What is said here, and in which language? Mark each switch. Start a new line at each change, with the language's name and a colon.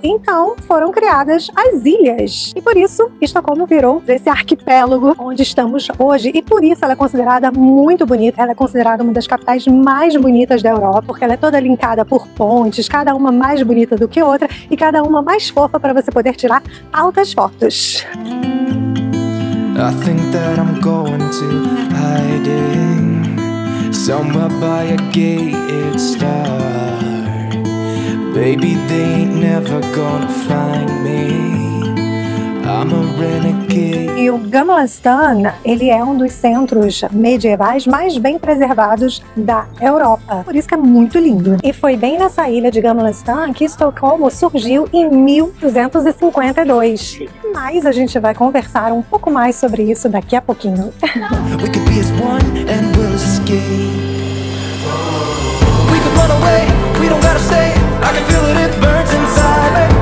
Portuguese: Então, foram criadas as ilhas. E por isso, Estocolmo virou esse arquipélago onde estamos hoje. E por isso, ela é considerada muito bonita. Ela é considerada uma das capitais mais bonitas da Europa, porque ela é toda linkada por pontes, cada uma mais bonita do que outra e cada uma mais fofa para você poder tirar altas fotos.
English: I think that I'm going to hide in somewhere by a gated star. Baby, they ain't never gonna find me. I'm a renegade.
Portuguese: E o Gamla Stan, ele é um dos centros medievais mais bem preservados da Europa. Por isso que é muito lindo. E foi bem nessa ilha de Gamla Stan que Estocolmo surgiu em 1252. Mas a gente vai conversar um pouco mais sobre isso daqui a pouquinho.
English: We could be as one and we'll escape. We could run away, we don't gotta stay. I can feel it, it burns inside.